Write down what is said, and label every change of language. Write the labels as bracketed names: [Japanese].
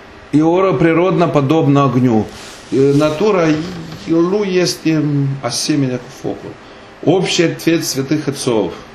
[Romanian] E ora [Russian] природна подобна огню. [Romanian] Natura lui este asemenea cu focul. [Russian] Общий ответ святых отцов.